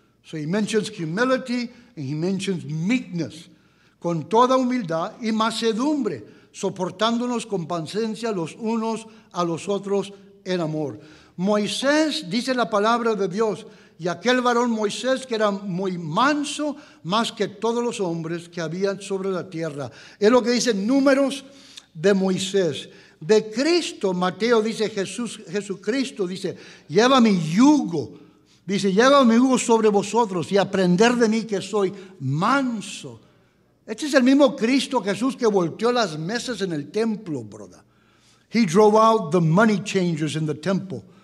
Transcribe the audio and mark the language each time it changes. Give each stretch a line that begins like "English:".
English: So he mentions humility and he mentions meekness.
Spanish: Con toda humildad y mansedumbre, soportándonos con paciencia los unos a los otros en amor. Moisés, dice la palabra de Dios, y aquel varón Moisés que era muy manso, más que todos los hombres que habían sobre la tierra. Es lo que dice Números de Moisés. De Cristo, Mateo dice, Jesucristo dice, lleva mi yugo. Dice, lleva mi yugo sobre vosotros y aprender de mí que soy manso. Este es el mismo Cristo Jesús que volteó las mesas en el templo, brother.
English: He drove out the money changers in the temple.